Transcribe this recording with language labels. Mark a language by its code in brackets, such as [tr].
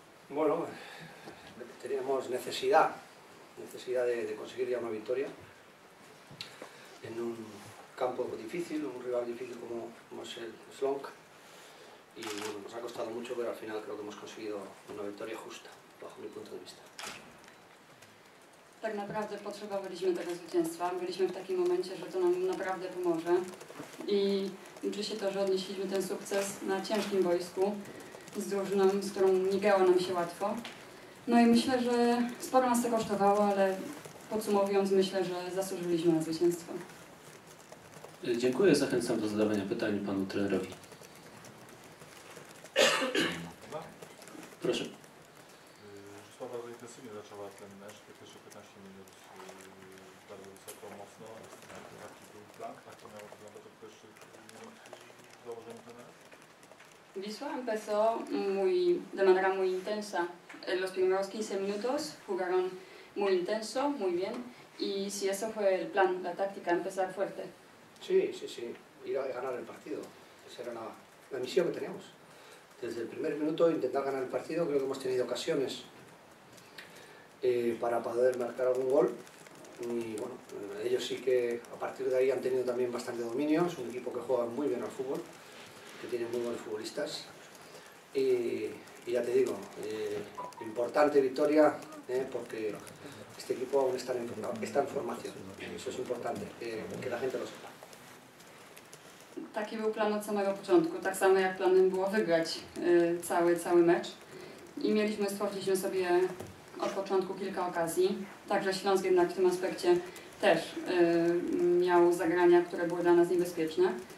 [es] Bueno, teníamos necesidad de conseguir ya una victoria en un campo difícil, un rival difícil como es el Slonk. Y bueno, nos ha costado mucho, pero al final creo que hemos conseguido una victoria justa, bajo mi punto de vista. [pl] Tak naprawdę potrzebowaliśmy tego zwycięstwa. Byliśmy w takim momencie, że to nam naprawdę pomoże. I liczy się to, że odnieśliśmy ten sukces na ciężkim boisku z drużyną, z którą nie grało nam się łatwo. No i myślę, że sporo nas to kosztowało, ale podsumowując, myślę, że zasłużyliśmy na zwycięstwo. Dziękuję, zachęcam do zadawania pytań panu trenerowi. Proszę. Sława intensywnie zaczęła ten mecz, te pierwsze 15 minut bardzo wysoko, mocno. Taki był plan, tak to miało wyglądać od pierwszych minut założeniu ten mecz? [es] Wisła empezó muy, de manera muy intensa. Los primeros 15 minutos jugaron muy intenso, muy bien. Y si eso fue el plan, la táctica, empezar fuerte. Sí, sí, sí. Ir a ganar el partido. Esa era la misión que teníamos. Desde el primer minuto intentar ganar el partido. Creo que hemos tenido ocasiones para poder marcar algún gol. Y bueno, ellos sí que a partir de ahí han tenido también bastante dominio. Es un equipo que juega muy bien al fútbol, que tiene muy buenos futbolistas. Y ya te digo, importante victoria, porque este equipo aún está en formación. Eso es importante, que la gente lo sepa. [pl] Taki był plan od samego początku, tak samo jak planem było wygrać cały mecz. I stworzyliśmy sobie od początku kilka okazji. Także Śląsk jednak w tym aspekcie też miał zagrania, które były dla nas niebezpieczne.